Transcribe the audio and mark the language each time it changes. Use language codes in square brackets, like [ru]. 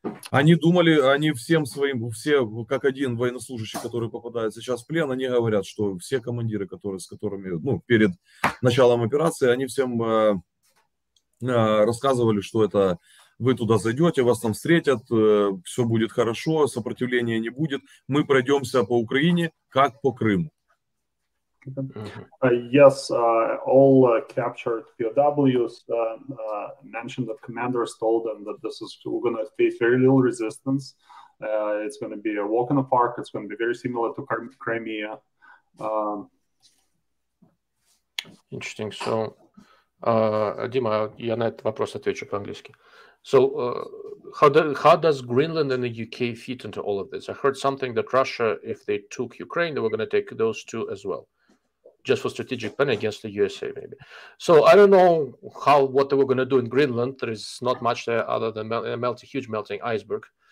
[ru] Они думали, они всем своим, все как один военнослужащий, который попадает сейчас в плен, они говорят, что все командиры, которые, с которыми, ну, перед началом операции, они всем рассказывали, что это. Вы туда зайдете, вас там встретят, все будет хорошо, сопротивления не будет. Мы пройдемся по Украине, как по Крыму. [en] Yes, all captured POWs mentioned that commanders told them that this is going to face very little resistance. It's going to be a walk in the park. It's going to be very similar to Crimea. Interesting. [ru] So, Дима, я на этот вопрос отвечу по-английски. [en] So how does Greenland and the UK fit into all of this? I heard something that Russia, if they took Ukraine, they were going to take those two as well, just for strategic planning against the USA, maybe. So I don't know what they were going to do in Greenland. There is not much there other than a huge melting iceberg.